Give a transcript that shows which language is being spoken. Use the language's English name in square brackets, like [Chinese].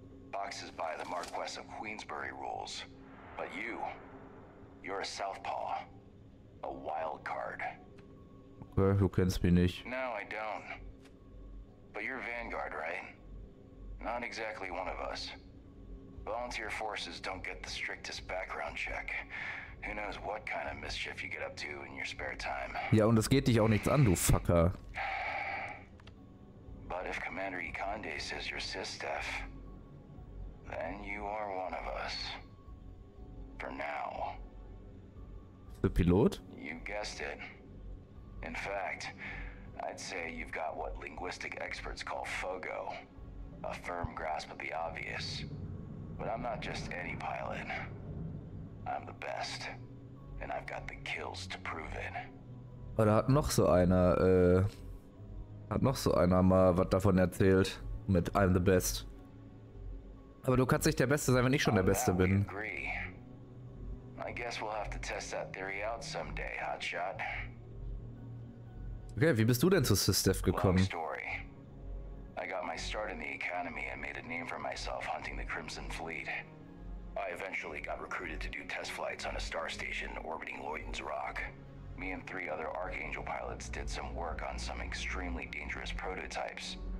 [English] Boxes by the Marquess of Queensbury rules. But you, you're a southpaw. A wild card. [German] Okay, du kennst mich nicht. [English] No, I don't. But you're Vanguard, right? Not exactly one of us. Volunteer forces don't get the strictest background check. Who knows what kind of mischief you get up to in your spare time. [German] Ja, und es geht dich auch nichts an, du Fucker. [English] But if Commander Ikande says you're Sysdef, then you are one of us. For now. The pilot? You guessed it. In fact, I'd say you've got what linguistic experts call FOGO. A firm grasp of the obvious. But I'm not just any pilot. I'm the best. And I've got the kills to prove it. [German] Oder hat noch so einer, mal was davon erzählt mit [English] I'm the best. [German] Aber du kannst nicht der Beste sein, wenn ich schon der Beste bin. [English] I guess we'll have to test that theory out someday, Hotshot. [German] Okay, wie bist du denn zu Sysdef gekommen? [English] I got my start in the Academy and made a name for myself hunting the Crimson Fleet. I eventually got recruited to do test flights on a star station orbiting Loyton's Rock. Me and three other Archangel pilots did some work on some extremely dangerous prototypes.